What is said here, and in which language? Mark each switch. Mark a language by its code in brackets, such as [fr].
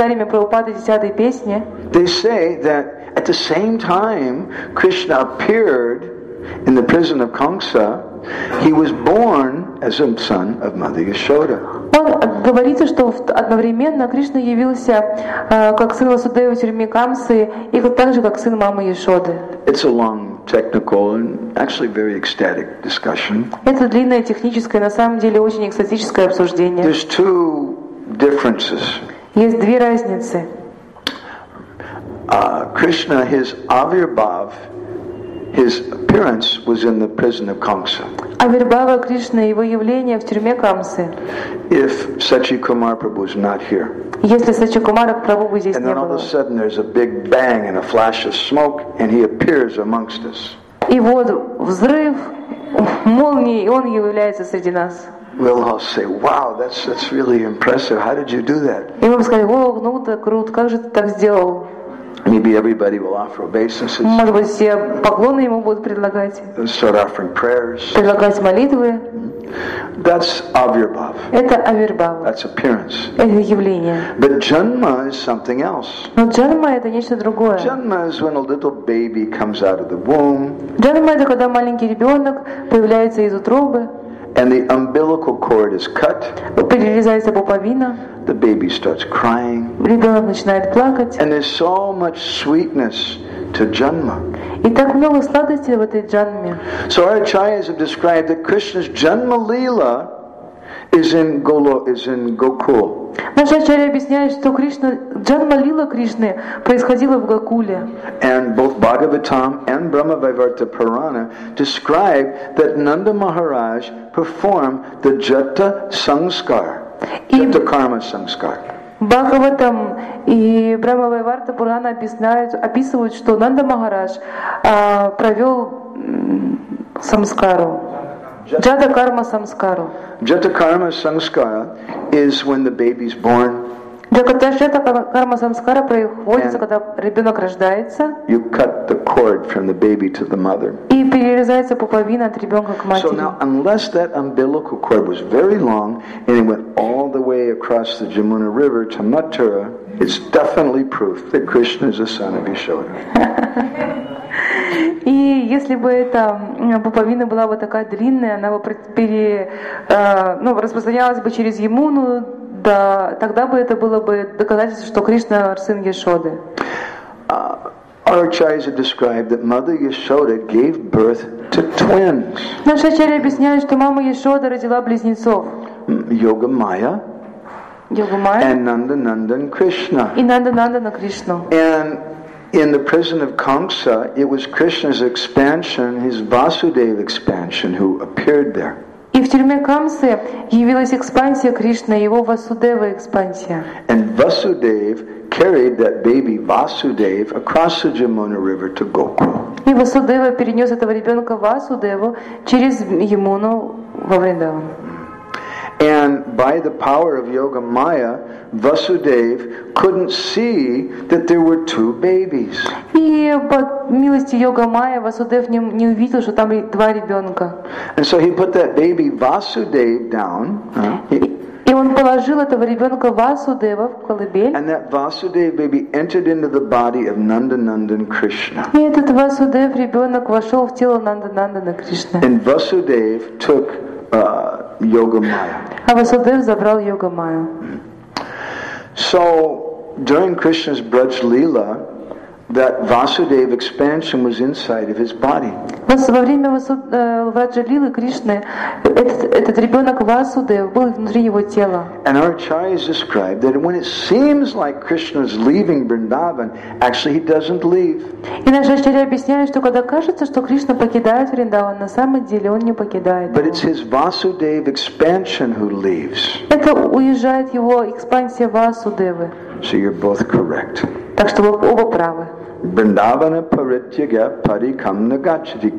[en] They say that at the same time Krishna appeared in the prison of Kamsa. He was born as a son of Mother Yashoda. [ru] Он говорит, что одновременно Кришна явился как сын Васудевы в тюрьме Камсы и так же как сын мамы Яшоды. [en] It's a long technical and actually very ecstatic discussion. [ru] Это длинное техническое, на самом деле очень экстатическое обсуждение. [en] There's two differences. [ru] Есть две разницы. [en] Krishna, his avirbhav, his appearance was in the prison of Kamsa. [ru] Авирбава Кришна, его явление в тюрьме Камсы. [en] If Сачикумара Прабху was not here. [ru] Если Сачикумара Прабху здесь не было. [en] And then all of a sudden there's a big bang and a flash of smoke and he appears amongst us. [ru] И вот взрыв молнии и он является среди нас. [en] We'll all say, "Wow, that's really impressive. How did you do that?" [ru] И мы скажем: "О, ну это круто. Как же ты так сделал?" [en] Maybe everybody will offer obeisances. [ru] Может быть, все поклоны ему будут предлагать. [en] Start offering prayers. [ru] Предлагать молитвы. [en] That's avirbhav. [ru] Это авирбава. [en] That's appearance. [ru] Это явление. [en] But janma is something else. [ru] Но джанма это нечто другое. [en] Janma is when a little baby comes out of the womb. [ru] Джанма это когда маленький ребенок появляется из утробы. [en] And the umbilical cord is cut. [ru] Перерезается пуповина. [en] The baby starts crying. [ru] Ребенок начинает плакать. [en] And there's so much sweetness to janma. [ru] И так много сладости в этой джанме. [en] So our acharyas have described that Krishna's janma lila is in Golo, is in Gokul. [ru] Наши ачарьи объясняют, что Кришна, джанма лила Кришны происходила в Гокуле. [en] And both Bhagavatam and Brahma Vaivarta Purana describe that Nanda Maharaj performed the Jata Sanskar, Jata Karma Sanskar. [ru] Бхагаватам и Брахма Вайварта Пурана описывают, что Нанда Махарадж провел самскару. [en] Jata Karma Samskara. Jata Karma Samskara is when the baby is born. [ru] Jata Karma Samskara происходит, когда ребенок рождается. [en] You cut the cord from the baby to the mother. [ru] И перерезается пуповина от ребенка к матери. [en] So now, unless that umbilical cord was very long and it went all the way across the Jamuna River to Mathura, it's definitely proof that Krishna is the son of Yashoda. [ru] И если бы эта пуповина была бы такая длинная, она бы распространялась бы через Ямуну, тогда бы это было бы доказательство, что Кришна сын Яшоды. [en] Our Acharyas have described that Mother Yashoda gave birth to twins. [ru] Наши Ачарьи объясняют, что мама Яшода родила близнецов. Йога Майя. Йога Майя. [en] And Nanda Nandan Krishna. [ru] И Нанда Нандана Кришна. [en] And in the prison of Kamsa, it was Krishna's expansion, his Vasudeva expansion, who appeared there. [ru] И в тюрьме Камсы явилась экспансия Кришны, его Васудева экспансия. [en] And Vasudev carried that baby Vasudev across the Yamuna River to Gokul. [ru] И Васудева перенес этого ребенка Васудеву через Ямуну во Вриндаван. [en] And by the power of Yoga Maya, Vasudev couldn't see that there were two babies. [ru] И по милости Йога Майя Васудев не увидел, что там два ребенка. [en] And so he put that baby Vasudev down. [ru] И он положил этого ребенка Васудева в колыбель. [en] And that Vasudev baby entered into the body of Nanda Nandan Krishna. [ru] И этот Васудев ребенок вошел в тело Нанда Нандана Кришны. [en] And Vasudev took Yoga Maya. [ru] А Васудев забрал Йога Майю. [en] So during Krishna's Braj Leela, that Vasudev expansion was inside of his body. [ru] Во время Враджа Лилы Кришны этот ребенок Васудев был внутри его тела. [en] And our Acharyas described that when it seems like Krishna's leaving Vrindavan, actually he doesn't leave. [ru] И наши Ачарьи объясняют, что когда кажется, что Кришна покидает Вриндаван, на самом деле он не покидает. [en] But it's his Vasudev expansion who leaves. [ru] Это уезжает его экспансия Васудевы. [en] So you're both correct. [ru] Так что вы оба правы. [sa] Vrindavana parityaga parikam nagacchati.